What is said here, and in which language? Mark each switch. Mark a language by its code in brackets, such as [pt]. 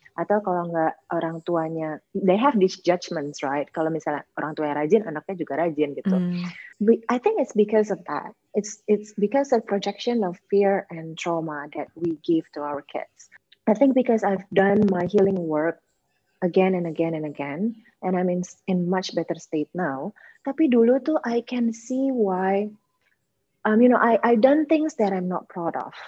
[id] Atau kalau nggak orang tuanya, [en] they have these judgments, right? [id] Kalau misalnya orang tuanya rajin, anaknya juga rajin gitu. [en] I think it's because of that. It's because of projection of fear and trauma that we give to our kids. I think because I've done my healing work again and again and again, and I'm in much better state now. [id] Tapi dulu tuh [en] I can see why, you know, I done things that I'm not proud of.